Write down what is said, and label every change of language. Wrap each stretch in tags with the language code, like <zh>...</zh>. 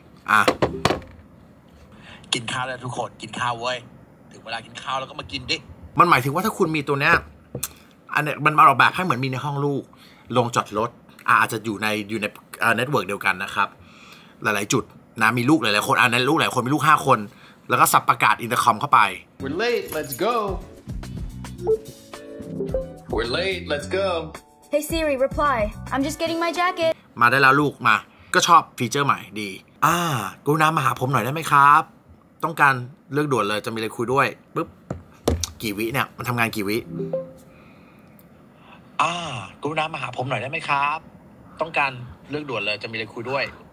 <th>อ่ะกินข้าวแล้วทุกคนกินข้าวเว้ยเวลากินข้าวแล้วก็มากินดิมันหมายถึงว่าถ้าคุณมีตัวเนี้ยอันเนี้ยมันมาออกแบบให้เหมือนมีในห้องลูกโรงจอดรถอาจจะอยู่ในเน็ตเวิร์กเดียวกันนะครับหลายๆจุดนะมีลูกหลายๆคนอันนั้นลูกหลายคนมีลูก5คนแล้วก็สับประกาศอินเตอร์คอมเข้าไป</th> <en>We're late let's go We're late let's go Hey Siri reply I'm just getting my jacket</en> <th>มาได้แล้วลูกมาก็ชอบฟีเจอร์ใหม่ดีกรุณามาหาผมหน่อยได้ไหมครับต้องการเลือกด่วนเลยจะมีอะไรคุยด้วยปึ๊บกี่วิเนี่ยมันทำงานกี่วิ กรุณามาหาผมหน่อยได้ไหมครับต้องการเลือกด่วนเลยจะมีอะไรคุยด้วย</th>